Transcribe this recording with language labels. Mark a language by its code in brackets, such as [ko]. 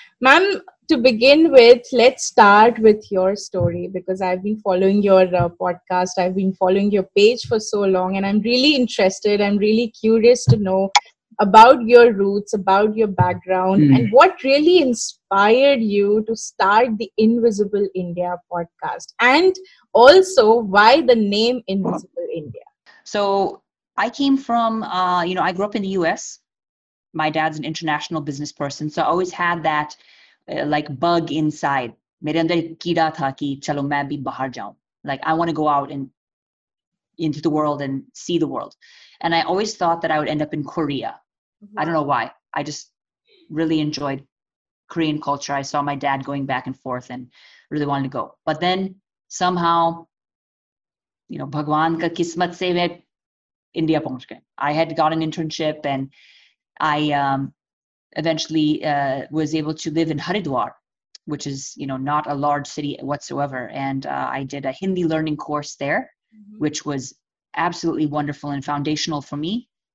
[en] Ma'am, to begin with, let's start with your story, because I've been following your podcast, I've been following your page for so long, and I'm really interested, I'm really curious to know about your roots, about your background, and what really inspired you to start the Invisible India podcast, and also why the name Invisible India? So I came from, I grew up in the US. My dad's an international business person. So I always had that bug inside. [hi] मेरे अंदर कीड़ा था कि चलो मैं भी बाहर जाऊँ. [en] Like, I want to go out and into the world and see the world. And I always thought that I would end up in Korea. Mm-hmm. I don't know why. I just really enjoyed Korean culture. I saw my dad going back and forth and really wanted to go. But then somehow, [hi] भगवान का किस्मत से में India पहुँच गए. [en] I had got an internship and I eventually was able to live in Haridwar, which is, not a large city whatsoever. And I did a Hindi learning course there, which was absolutely wonderful and foundational for me.